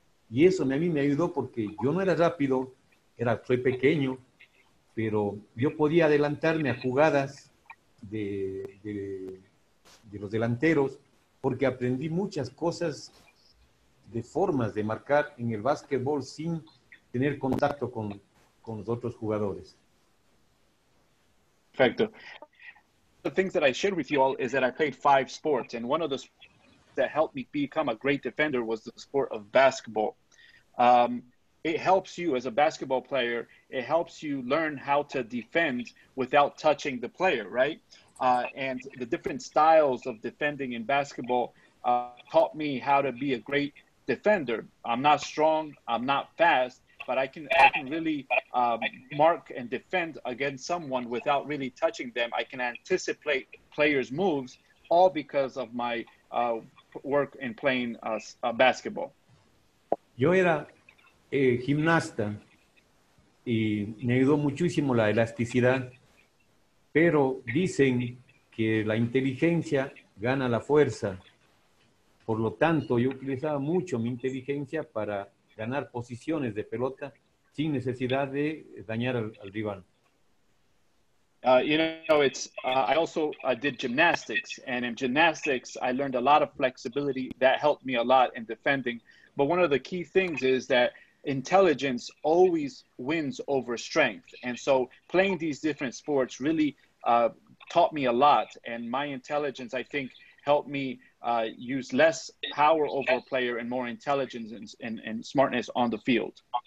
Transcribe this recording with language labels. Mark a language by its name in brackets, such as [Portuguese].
[Spanish] Y eso a mí me ayudó porque yo no era rápido, soy pequeño, pero yo podía adelantarme a jugadas de los delanteros, porque aprendí muchas cosas de formas de marcar en el básquetbol sin tener contacto con los otros jugadores. Perfecto. [English] The things that I shared with you all is that I played 5 sports, and one of the sports that helped me become a great defender was the sport of basketball. It helps you as a basketball player, it helps you learn how to defend without touching the player, right? And the different styles of defending in basketball taught me how to be a great defender. I'm not strong, I'm not fast, but I can really mark and defend against someone without really touching them. I can anticipate players' moves, all because of my work in playing basketball. [Spanish] Yo era gimnasta y me ayudó muchísimo la elasticidad, pero dicen que la inteligencia gana la fuerza. Por lo tanto, yo utilizaba mucho mi inteligencia para ganar posiciones de pelota sin necesidad de dañar al rival. [English] I did gymnastics, and in gymnastics I learned a lot of flexibility that helped me a lot in defending. But one of the key things is that intelligence always wins over strength. And so playing these different sports really taught me a lot, and my intelligence, I think, helped me use less power over a player and more intelligence and smartness on the field.